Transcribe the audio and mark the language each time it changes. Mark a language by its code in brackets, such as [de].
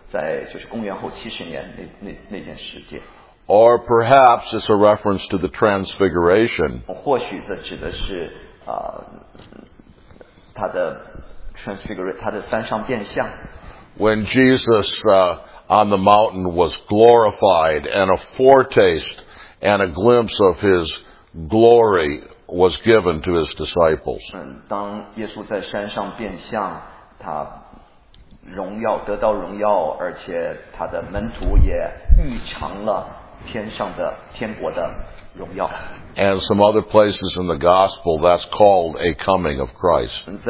[zh] 在就是公元后70年那件事件, [en] or perhaps it's a reference to the transfiguration. [zh] 或许这指的是, 他的 transfiguration, 他的山上变相, [en] when Jesus on the mountain was glorified and a foretaste and a glimpse of his glory was given to his disciples. [zh] 当耶稣在山上变相, 荣耀得到荣耀，而且他的门徒也预尝了天上的天国的荣耀。 [en] And some other places in the gospel, that's called a coming of Christ.